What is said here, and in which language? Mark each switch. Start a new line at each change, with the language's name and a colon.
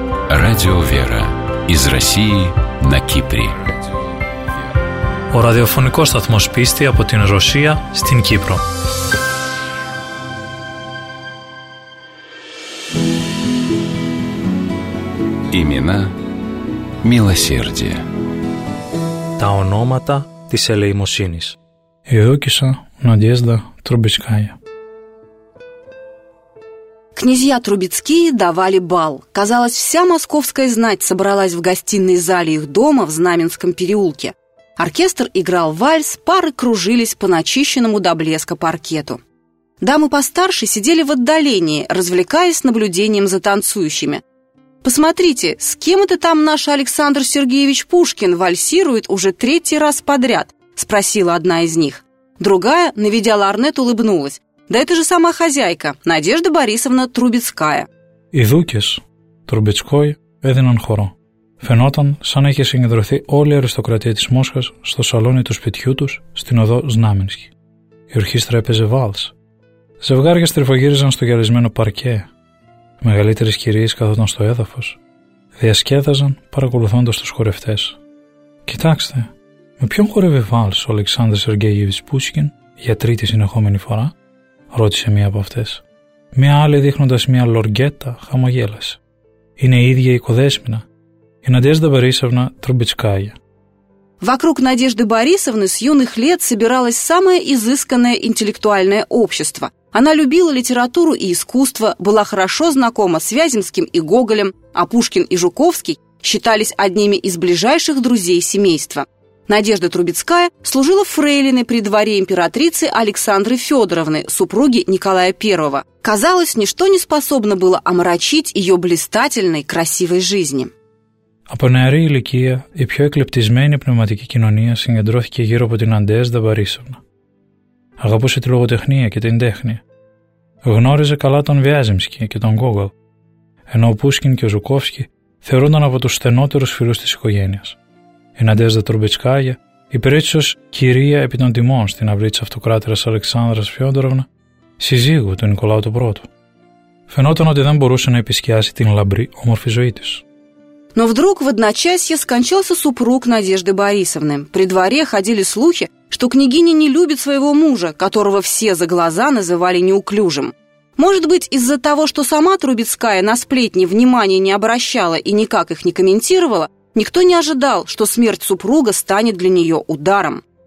Russian: Радио Вера из России на Кипре.
Greek: О радиофонико сатмос писти από την Ρωσία στην Κύπρο.
Russian: Имена милосердия.
Greek: Τα ονόματα της ελεημοσύνης.
Russian: Евдокия, Надежда, Трубецкая. Князья Трубецкие давали бал. Казалось, вся московская знать собралась в гостиной зале их дома в Знаменском переулке. Оркестр играл вальс, пары кружились по начищенному до блеска паркету. Дамы постарше сидели в отдалении, развлекаясь наблюдением за танцующими. «Посмотрите, с кем это там наш Александр Сергеевич Пушкин вальсирует уже третий раз подряд?» – спросила одна из них. Другая, наведя лорнет, улыбнулась. Да это же сама хозяйка, Надежда Борисовна Трубецкая.
Greek: Οι δούκες Трубецкой έδιναν χορό. Φαινόταν σαν να είχε συγκεντρωθεί όλη η αριστοκρατία της Μόσχας στο σαλόνι του σπιτιού τους στην οδό Знаменский. η ορχήστρα έπαιζε βάλς. Ζευγάρια στριφογύριζαν στο γυαλισμένο παρκέ. Μεγαλύτερες κυρίες καθόταν στο έδαφος. Διασκέδαζαν παρακολουθώντας τους χορευτές. «Κοιτάξτε, με ποιον χορεύει βάλς ο Αλεξάνδρος Σεργέγιεβιτς Πούσκιν για τρίτη συνεχόμενη φορά?» ρώτησε μία από αυτές. Μία άλλη δείχνοντας μία λοργκέτα χαμογέλασε. «Είναι η ίδια η οικοδέσμηνα, η Надежда Борисовна Трубецкая».
Russian: Вокруг Надежды Борисовны с юных лет собиралось самое изысканное интеллектуальное общество. Она любила литературу и искусство, была хорошо знакома с Вяземским и Гоголем, а Пушкин и Жуковский считались одними из ближайших друзей семейства. Надежда Трубецкая служила фрейлиной при дворе императрицы Александры Федоровны, супруги Николая I. Казалось, ничто не способно было омрачить ее блистательной, красивой жизни.
Greek: Από νεαρή ηλικία, η πιο εκλεπτισμένη πνευματική κοινωνία συγκεντρώθηκε γύρω από την Надежда Борисовна. Αγαπούσε τη λογοτεχνία και την τέχνη. Γνώριζε καλά τον Βιάζιμσκι και τον Γκόγκολ, ενώ ο Πούσκιν και ο Ζουκόφσκι θεωρούνταν από τους στενότερους φίλους της οικογένειας. Η Надежда Трубецкая υπηρέτησε ως κυρία επί των τιμών στην αυλή της αυτοκράτηρας Αλεξάνδρας Φιόντοροβνα, σύζυγου του Νικολάου του Πρώτου. Φαινόταν ότι δεν μπορούσε να επισκιάσει την λαμπρή όμορφη ζωή της.
Russian: Но вдруг в одночасье скончался супруг Надежды Борисовны. При дворе ходили слухи, что княгиня не любит своего мужа, которого все за глаза называли неуклюжим. Может быть, из-за того, что сама Трубецкая на сплетни внимания не обращала и никак их не комментировала, никто не ожидал, что смерть супруга станет для нее ударом.